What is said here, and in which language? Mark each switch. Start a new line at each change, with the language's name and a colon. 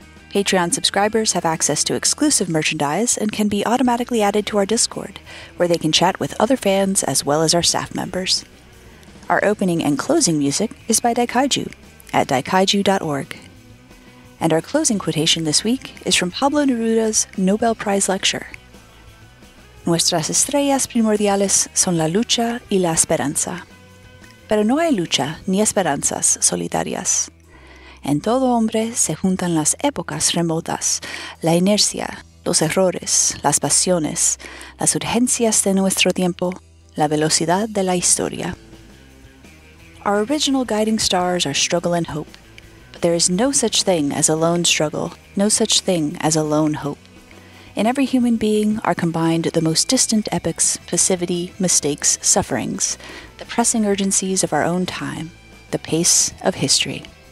English: Patreon subscribers have access to exclusive merchandise and can be automatically added to our Discord, where they can chat with other fans as well as our staff members. Our opening and closing music is by Daikaiju at daikaiju.org. And our closing quotation this week is from Pablo Neruda's Nobel Prize lecture.
Spanish: Nuestras estrellas primordiales son la lucha y la esperanza. Pero no hay lucha ni esperanzas solitarias. En todo hombre se juntan las épocas remotas, la inercia, los errores, las pasiones, las urgencias de nuestro tiempo, la velocidad de la historia.
English: Our original guiding stars are struggle and hope. But there is no such thing as a lone struggle, no such thing as a lone hope. In every human being are combined the most distant epics, passivity, mistakes, sufferings, the pressing urgencies of our own time, the pace of history.